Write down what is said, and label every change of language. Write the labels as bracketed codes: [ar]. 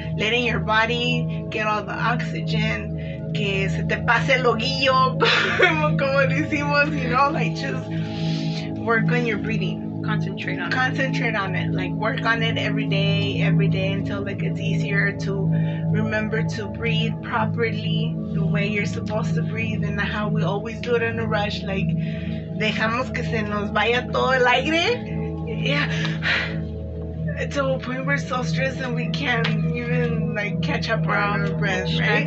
[en] Letting your body get all the oxygen. [es] Que se te pase el ojillo, como decimos, [en] you know, like, just work on your breathing. Concentrate on it. Like, work on it every day until, like, it's easier to remember to breathe properly the way you're supposed to breathe and how we always do it in a rush. [es] Like, dejamos que se nos vaya todo el aire. [en] Yeah. To a point we're so stressed and we can't even, like, catch up around our breath, right?